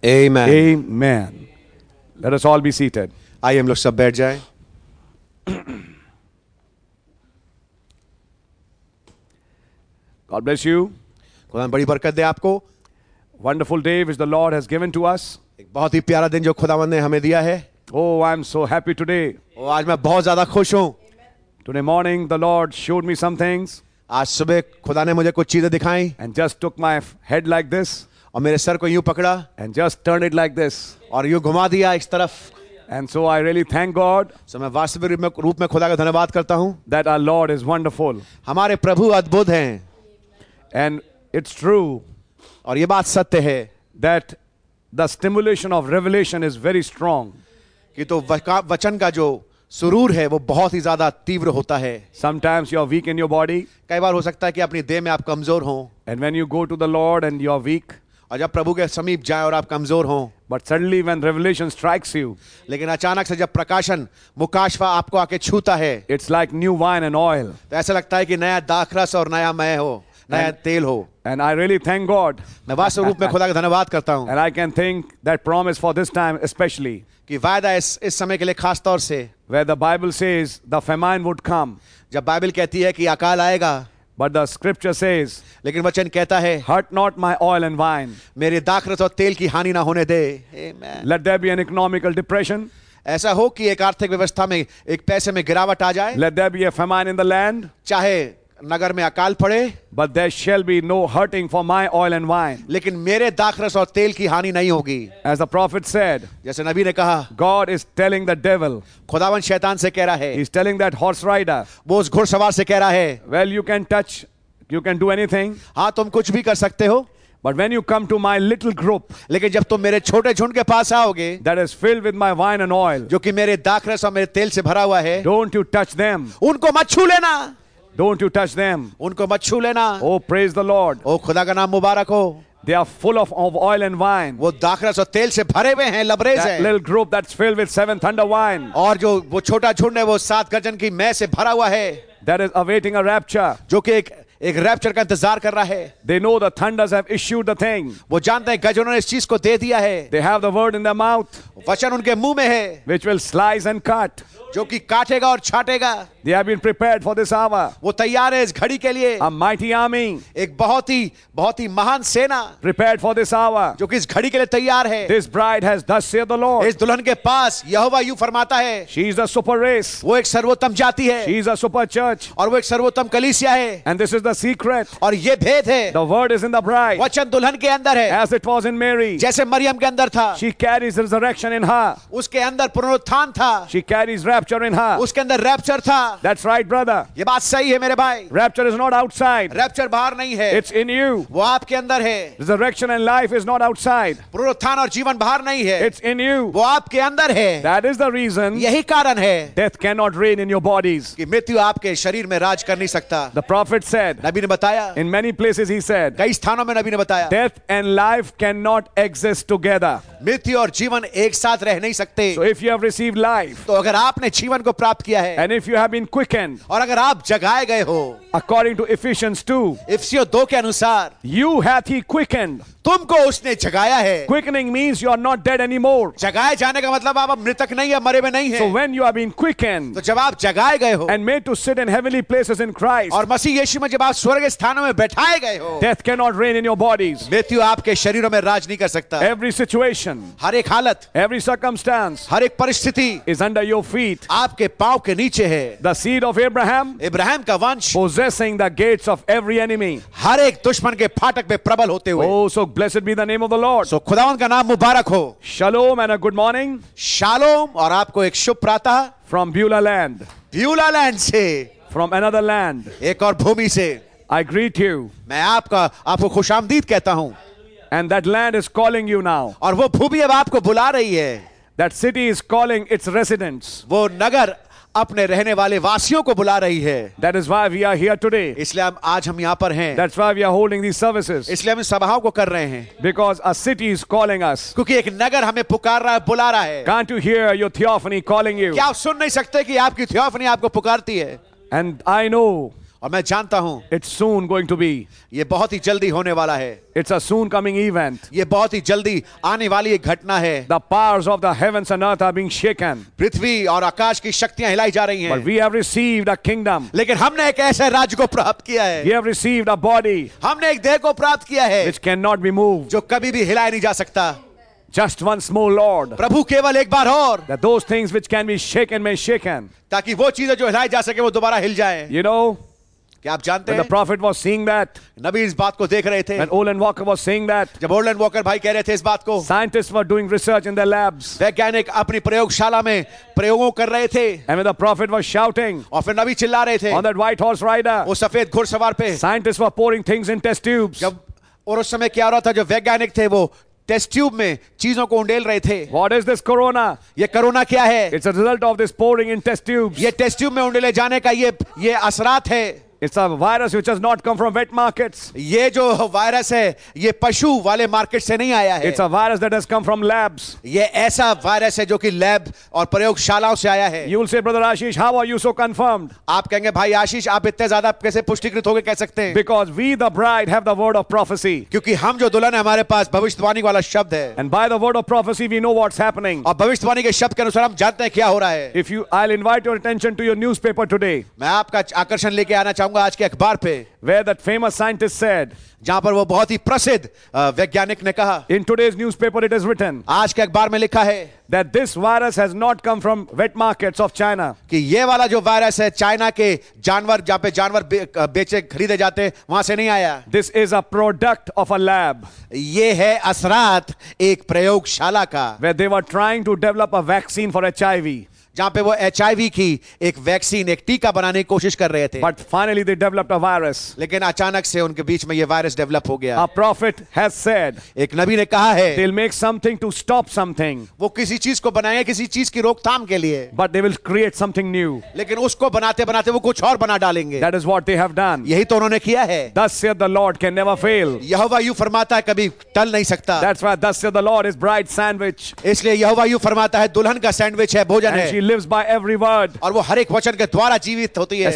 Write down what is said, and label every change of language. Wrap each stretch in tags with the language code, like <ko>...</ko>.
<en>Amen. Amen. Let us all be seated. I am Lusab Berjai. God bless you.</en> <hi>खुदा बड़ी बरकत दे आपको.</hi> <en>Wonderful day which the Lord has given to us.</en> <hi>एक बहुत ही प्यारा दिन जो खुदावन ने हमें दिया है.</hi> <en>Oh, I'm so happy today.</en> <hi>Oh, आज मैं बहुत ज़्यादा खुश हूँ.</hi> <en>Today morning, the Lord showed me some things.</en> <hi>आज सुबह खुदा ने मुझे कुछ चीजें दिखाई.</hi> <en>And just took my head like this.</en> <hi>और मेरे सर को यूँ पकड़ा.</hi> <en>And just turned it like this.</en> <hi>और यूँ घुमा दिया इस तरफ.</hi> <en>And so I really thank God.</en> <hi>So मैं वास्तविक रूप में खुदा का धन्यवाद करता हूँ.</hi> <en>That our Lord is wonderful.</en> <hi>हमारे प्रभु अद्भुत हैं.</hi> <en>And it's true.</en> <hi>और ये बात सत्य है.</hi> <en>That the stimulation of revelation is very strong.</en> <hi>कि तो वचन का जो सुरूर है वो बहुत ही ज्यादा तीव्र होता है.</hi> <en>Sometimes you are weak in your body.</en> <hi>कई बार हो सकता है कि अपनी देह में आप कमजोर हों.</hi> <en>And when you go to the Lord and you are weak.</en> <hi>और जब प्रभु के समीप जाए और आप कमजोर हों.</hi> <en>But suddenly when revelation strikes you.</en> <hi>लेकिन अचानक से जब प्रकाशन मुकाशवा आपको आके छूता है.</hi> <en>It's like new wine and oil.</en> <hi>तो ऐसा लगता है कि नया दाखरस और नया मैं हो.</hi> <en>And I really thank God.</en> <hi>मैं वास्तव रूप में खुदा का धन्यवाद करता हूँ.</hi> <en>And I can think that promise for this time especially.</en> <hi>कि वायदा इस समय के लिए खास तौर से.</hi> <en>Where the Bible says the famine would come.</en> <hi>जब बाइबल कहती है कि अकाल आएगा.</hi> <en>But the scripture says.</en> <hi>लेकिन वचन कहता है.</hi> <en>Hurt not my oil and wine.</en> <hi>मेरे दाखरस और तेल की हानि ना होने दे.</hi> <en>Amen. Let there be an economical depression.</en> <hi>ऐसा हो कि एक आर्थिक व्यवस्था में एक पैसे में गिरावट आ जाए.</hi> <en>Let there be a famine in the land.</en> <hi>चाहे नगर में अकाल पड़े.</hi> <en>But there shall be no hurting for my oil and wine.</en> <hi>लेकिन मेरे दाखरस और तेल की हानि नहीं होगी.</hi> <en>As the prophet said.</en> <hi>जैसे नबी ने कहा.</hi> <en>God is telling the devil.</en> <hi>खुदावन शैतान से कह रहा है.</hi> <en>He's telling that horse rider.</en> <hi>वो उस घुड़सवार से कह रहा है.</hi> <en>Well, you can touch, you can do anything.</en> <hi>हाँ, तुम कुछ भी कर सकते हो.</hi> <en>But when you come to my little group,</en> <hi>लेकिन जब तुम मेरे छोटे झुंड के पास आओगे,</hi> <en>that is filled with my wine and oil,</en> <hi>जो कि मेरे दाखरस और मेरे तेल से भरा हुआ है,</hi> <en>don't you touch them.</en> <hi>उनको मत छू लेना.</hi> <en>Don't you touch them.</en> <hi>उनको मत छू लेना.</hi> <en>Oh, praise the Lord.</en> <hi>Oh, खुदा का नाम मुबारक हो.</hi> <en>They are full of oil and wine.</en> <hi>वो दाखरस और तेल से भरे हुए हैं, लबरेज हैं.</hi> <en>Little group that's filled with seven thunder wine.</en> <hi>और जो वो छोटा झुंड है वो सात गर्जन की मैं से भरा हुआ है.</hi> <en>That is awaiting a rapture.</en> <hi>जो कि एक रैप्चर का इंतजार कर रहा है.</hi> <en>They know the thunders have issued the thing.</en> <hi>वो जानते हैं गजनों ने इस चीज को दे दिया है.</hi> <en>They have the word in their mouth.</en> <hi>वचन उनके मुंह में है.</hi> <en>Which will slice and cut.</en> <hi>जो कि काटेगा और छाटेगा.</hi> <en>They have been prepared for this hour.</en> <hi>वो तैयार है इस घड़ी के लिए.</hi> <en>A mighty army.</en> <hi>एक बहुत ही महान सेना.</hi> <en>Prepared for this hour.</en> <hi>जो कि इस घड़ी के लिए तैयार है.</hi> <en>This bride has thus said the Lord.</en> <hi>इस दुल्हन के पास यहोवा यूं फरमाता है.</hi> <en>She is a super race.</en> <hi>वो एक सर्वोत्तम जाति है.</hi> <en>She is a super church.</en> <hi>और वो एक सर्वोत्तम कलीसिया है.</hi> <en>And this is the secret.</en> <hi>और ये भेद है.</hi> <en>The word is in the bride.</en> <hi>वचन दुल्हन के अंदर है.</hi> <en>As it was in Mary.</en> <hi>जैसे मरियम के अंदर था.</hi> <en>She carries resurrection in her.</en> <hi>उसके अंदर पुनरुत्थान था.</hi> <en>She carries rapture in her.</en> <hi>उसके अंदर रैप्चर था.</hi> <en>That's right, brother.</en> <hi>ये बात सही है मेरे भाई.</hi> <en>Rapture is not outside.</en> <hi>Rapture बाहर नहीं है.</hi> <en>It's in you.</en> <hi>वो आपके अंदर है.</hi> <en>Resurrection and life is not outside.</en> <hi>पुनरुत्थान और जीवन बाहर नहीं है.</hi> <en>It's in you.</en> <hi>वो आपके अंदर है.</hi> <en>That is the reason.</en> <hi>यही कारण है.</hi> <en>Death cannot reign in your bodies.</en> <hi>कि मृत्यु आपके शरीर में राज कर नहीं सकता.</hi> <en>The prophet said.</en> <hi>नबी ने बताया.</hi> <en>In many places he said.</en> <hi>कई स्थानों में नबी ने बताया.</hi> <en>Death and life cannot exist together.</en> <hi>मृत्यु और जीवन एक साथ रह नहीं सकते.</hi> <en>So if you have received life.</en> <hi>तो अगर आपने जीवन को प्राप्त किया है.</hi> <en>And if you have been quickened.</en> <hi>और अगर आप जगाए गए हो.</hi> <en>According to Ephesians 2.</en> <hi>इफिसियों 2 के अनुसार.</hi> <en>You hath he quickened.</en> <hi>तुमको उसने जगाया है.</hi> <en>Quickening means you are not dead anymore.</en> <hi>जगाए जाने का मतलब आप मृतक नहीं है, मरे हुए नहीं है.</hi> <en>So when you have been quickened.</en> <hi>तो जब आप जगाए गए हो.</hi> <en>And made to sit in heavenly places in Christ.</en> <hi>और मसीह यीशु में जब आप स्वर्ग स्थानों में बैठाए गए हो.</hi> <en>Death cannot reign in your bodies.</en> <hi>मृत्यु आपके शरीरों में राज नहीं कर सकता.</hi> <en>Every situation.</en> <hi>हर एक हालत.</hi> <en>Every circumstance.</en> <hi>हर एक परिस्थिति.</hi> <en>Is under your feet.</en> <hi>आपके पांव के नीचे है.</hi> <en>The seed of Abraham.</en> <hi>Ibrahim का वंश.</hi> <en>Possessing the gates of every enemy.</en> <hi>हर एक दुश्मन के फाटक में प्रबल होते हुए.</hi> <en>Oh, so blessed be the name of the Lord.</en> <hi>So खुदावन का नाम मुबारक हो.</hi> <en>Shalom and a good morning.</en> <hi>Shalom और आपको एक शुभ प्रातः.</hi> <en>From Beulah land.</en> <hi>Beulah land से.</hi> <en>From another land.</en> <hi>एक और भूमि से.</hi> <en>I greet you.</en> <hi>मैं आपको खुशामदीद कहता हूँ.</hi> <en>And that land is calling you now.</en> <hi>और वो भूमि अब आपको बुला रही है.</hi> <en>That city is calling its residents.</en> <hi>वो नगर अपने रहने वाले वासियों को बुला रही है.</hi> <en>That is why we are here today.</en> <hi>इसलिए आज हम यहाँ पर हैं.</hi> <en>That's why we are holding these services.</en> <hi>इसलिए हम सभाओं को कर रहे हैं.</hi> <en>Because a city is calling us.</en> <hi>क्योंकि एक नगर हमें पुकार रहा है, बुला रहा है.</hi> <en>Can't you hear your theophany calling you?</en> <hi>क्या आप सुन नहीं सकते कि आपकी theophany आपको पुकारती है?</hi> <en>And I know.</en> <hi>और मैं जानता हूँ.</hi> <en>It's soon going to be.</en> <hi>ये बहुत ही जल्दी होने वाला है.</hi> <en>It's a soon coming event.</en> <hi>ये बहुत ही जल्दी आने वाली एक घटना है.</hi> <en>The powers of the heavens and earth are being shaken.</en> <hi>पृथ्वी और आकाश की शक्तियाँ हिलाई जा रही हैं.</hi> <en>But we have received a kingdom.</en> <hi>लेकिन हमने एक ऐसे राज्य को प्राप्त किया है.</hi> <en>We have received a body.</en> <hi>हमने एक देह को प्राप्त किया है.</hi> <en>Which cannot be moved.</en> <hi>जो कभी भी हिलाया नहीं जा सकता.</hi> <en>Just once more, Lord.</en> <hi>प्रभु केवल एक बार और.</hi> <en>That those things which can be shaken may shaken.</en> <hi>ताकि वो चीजें जो हिलाई जा सके वो दोबारा हिल जाए.</hi> <en>You know.</en> <hi>आप जानते हैं,</hi> <en>the prophet was seeing that,</en> <hi>नबी इस बात को देख रहे थे,</hi> <en>and Olin Walker was seeing that,</en> <hi>जब Olin Walker भाई कह रहे थे इस बात को,</hi> <en>scientists were doing research in their labs,</en> <hi>वैज्ञानिक अपनी प्रयोगशाला में प्रयोगों कर रहे थे,</hi> <en>and when the prophet was shouting,</en> <hi>और फिर नबी चिल्ला रहे थे,</hi> <en>on that white horse rider,</en> <hi>वो सफेद घुड़सवार पे,</hi> <en>scientists were pouring things in test tubes,</en> <hi>जब और उस समय क्या हो रहा था, जो वैज्ञानिक थे वो टेस्ट ट्यूब में चीजों को उंडेल रहे थे.</hi> <en>What is this corona?</en> <hi>ये कोरोना क्या है?</hi> <en>It's a result of this pouring in test tubes.</en> <hi>ये टेस्ट ट्यूब में उंडेले जाने का ये असरात है.</hi> <en>It's a virus which has not come from wet markets.</en> <hi>ये जो वायरस है ये पशु वाले मार्केट से नहीं आया है.</hi> <en>It's a virus that has come from labs.</en> <hi>ये ऐसा वायरस है जो कि लैब और प्रयोगशालाओं से आया है.</hi> <en>You will say, brother Ashish, how are you so confirmed?</en> <hi>आप कहेंगे भाई आशीष आप इतने ज्यादा कैसे पुष्टिकृत हो गए कह सकते हैं.</hi> <en>Because we the bride have the word of prophecy.</en> <hi>क्योंकि हम जो दुल्हन है हमारे पास भविष्यवाणी वाला शब्द है.</hi> <en>And by the word of prophecy we know what's happening.</en> <hi>और भविष्यवाणी के शब्द के अनुसार हम जानते हैं क्या हो रहा है.</hi> <en>If you, I'll invite your attention to your newspaper today.</en> <hi>मैं आपका आकर्षण लेके आना चाहूंगा आज के अखबार पे.</hi> <en>Where that famous scientist said,</en> <hi>जहां पर वो बहुत ही प्रसिद्ध वैज्ञानिक ने कहा,</hi> <en>in today's newspaper it is written,</en> <hi>आज के अखबार में लिखा है,</hi> <en>that this virus has not come from wet markets of China,</en> <hi>कि ये वाला जो वायरस है चाइना के जानवर जहां पे जानवर बेचे खरीदे जाते हैं वहां से नहीं आया.</hi> <en>This is a product of a lab,</en> <hi>ये है असरात एक प्रयोगशाला का.</hi> <en>Where they were trying to develop a vaccine for HIV.</en> <hi>जहां पे वो HIV की एक वैक्सीन एक टीका बनाने की कोशिश कर रहे थे.</hi> <en>But finally they developed a virus.</en> <hi>लेकिन अचानक से उनके बीच में ये वायरस डेवलप हो गया.</hi> <en>A prophet has said,</en> <hi>एक नबी ने कहा है,</hi> <en>they'll make something to stop something.</en> <hi>वो किसी चीज को बनाएंगे किसी चीज की रोकथाम के लिए.</hi> <en>But they will create something new.</en> <hi>लेकिन उसको बनाते बनाते वो कुछ और बना डालेंगे.</hi> <en>That is what they have done.</en> <hi>यही तो उन्होंने किया है.</hi> <en>Thus saith the Lord can never fail.</en> <hi>यहोवा यूं फरमाता है कभी टल नहीं सकता.</hi> <en>That's why thus saith the Lord is bride's sandwich.</en> <hi>इसलिए यहोवा यूं फरमाता है दुल्हन का सैंडविच है भोजन है.</hi> <en>Lives by every word.</en> <hi>और वो हर एक वचन के द्वारा जीवित होती है.</hi>